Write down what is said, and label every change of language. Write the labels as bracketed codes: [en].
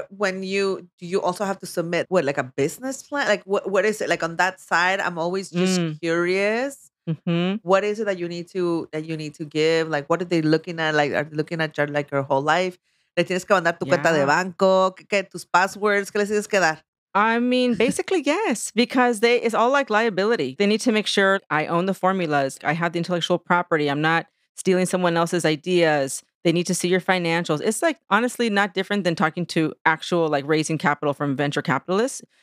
[en] Do you also have to submit a business plan? Like what is it? Like on that side, I'm always just curious. Mm-hmm. What is it that you need to give? Like what are they looking at? Like are they looking at your whole life? [es] Le tienes que mandar tu cuenta de banco, que tus passwords, que les tienes que dar? [en] I mean, basically, yes, because it's all like liability. They need to make sure I own the formulas. I have the intellectual property. I'm not stealing someone else's ideas. They need to see your financials. It's like, honestly, not different than talking to actual like raising capital from venture capitalists.